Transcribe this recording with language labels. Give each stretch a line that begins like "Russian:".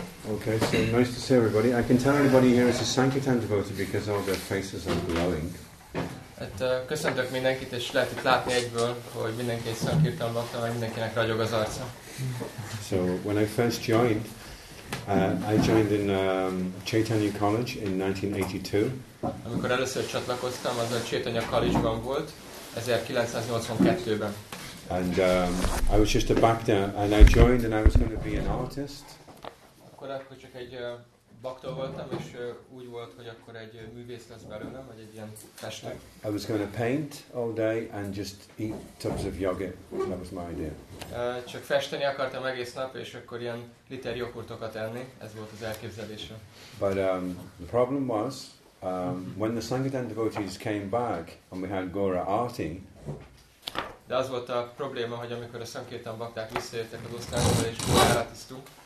English: Okay, so nice to see everybody. I can tell everybody here is a Sankirtan devotee because all their faces are glowing.
Hungarian: Köszöntök mindenkit, és lehet itt látni egyből, hogy mindenki egy szankirtan bhakta, mert mindenkinek ragyog az arca.
English: So, when I first joined, I joined in Chaitanya College in 1982.
Hungarian: Amikor először csatlakoztam, az a Chaitanya College-ban volt, 1982-ben.
English: And I was just a bhakta, and I joined, and I was going to be an artist.
Hungarian: Akkor csak egy bhakta voltam, és úgy volt, hogy akkor egy művész lesz belőlem, vagy egy ilyen festő.
English: I was going to paint all day and just eat tubs of yogurt. That was my idea.
Hungarian: Csak festeni akartam egész nap, és akkor ilyen liter joghurtokat enni. Ez volt az elképzelésem.
English: But the problem was, when the Sankirtan devotees came back and we had Gaura Arti.
Hungarian: De az volt a probléma, hogy amikor a Sankirtan bhakták visszajöttek az osztályba, és Gaura Arti stúk.